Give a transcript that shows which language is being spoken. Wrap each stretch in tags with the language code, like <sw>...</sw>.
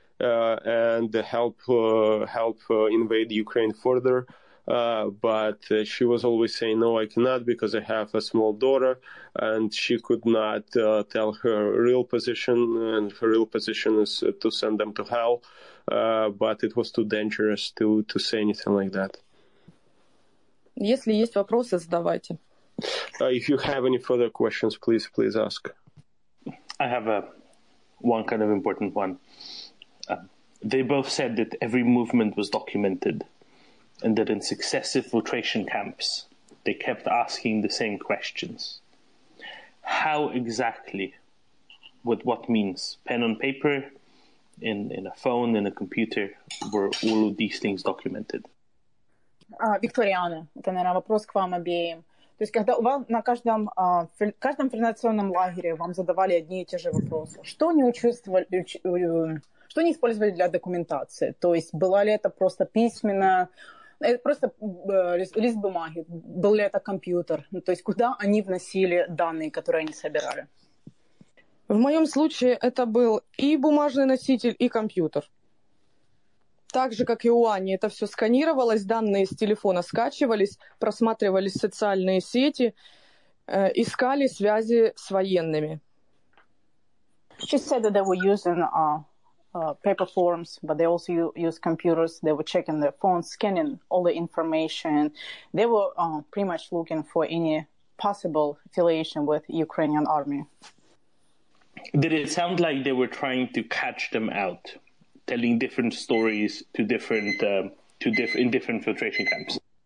<en>And help invade Ukraine further, but she was always saying no, I cannot, because I have a small daughter, and she could not tell her real position, and her real position is to send them to hell, but it was too dangerous to say anything like that.</en> <ru>Если есть вопросы, задавайте.</ru> <en>If you have any further questions, please ask. I have one kind of important one. They both said that every movement was documented, and that in successive filtration camps, they kept asking the same questions. How exactly, with what means, pen on paper, in a phone, in a computer, were all of these things documented?</en> <ru>Виктория, Анна, это, наверное, вопрос к вам обеим. То есть когда у вас на каждом, каждом фильтрационном лагере вам задавали одни и те же вопросы, что они чувствовали, что они использовали для документации? То есть была ли это просто письменная, просто лист бумаги, был ли это компьютер? То есть куда они вносили данные, которые они собирали? В моем случае это был и бумажный носитель, и компьютер. Так же, как и у Ани, это все сканировалось, данные с телефона скачивались, просматривались социальные сети, искали связи с военными.</ru> <en>She said that they were using paper forms, but they also used computers. They were checking their phones, scanning all the information. They were pretty much looking for any possible affiliation with Ukrainian army. Did it sound like they were trying to catch them out? Telling different stories to different in different filtration camps.</en>